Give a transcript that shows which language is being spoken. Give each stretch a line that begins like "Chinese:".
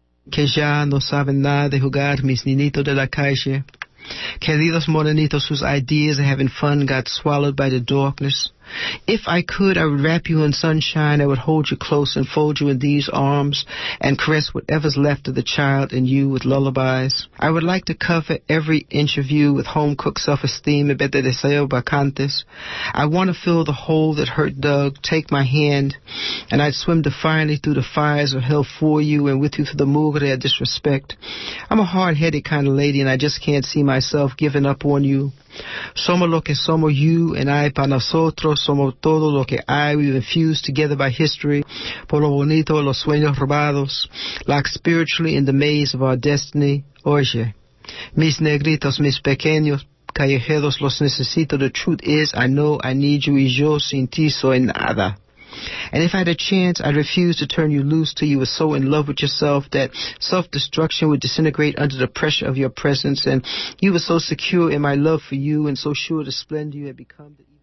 Spanish: Que ya no saben nada de jugar, mis niñitos de la calle. Queridos morenitos,
English: whose ideas of having fun got swallowed by the darkness. If I could, I would wrap you in sunshine. I would hold you close and fold you in these arms and caress whatever's left of the child in you with lullabies. I would like to cover every inch of you with home-cooked self-esteem and better
Spanish: deseo bacantes.
English: I want to fill the hole that hurt dug, take my hand, and I'd swim defiantly through the fires of hell for you and with you through the mugre of disrespect. I'm a hard-headed kind of lady, and I just can't see myself giving up on you.
Spanish: Somos lo que somos,
English: you and I,
Spanish: para nosotros somos todo lo que hay.
English: We've infused together by history,
Spanish: por lo bonito, los sueños robados,
English: locked spiritually in the maze of our destiny.
Spanish: Oye, mis negritos, mis pequeños, callejeros, los necesito.
English: The truth is, I know I need you,
Spanish: y yo sin ti soy nada.
English: And if I had a chance, I'd refuse to turn you loose till you were so in love with yourself that self-destruction would disintegrate under the pressure of your presence, and you were so secure in my love for you and so sure the splendor you had become.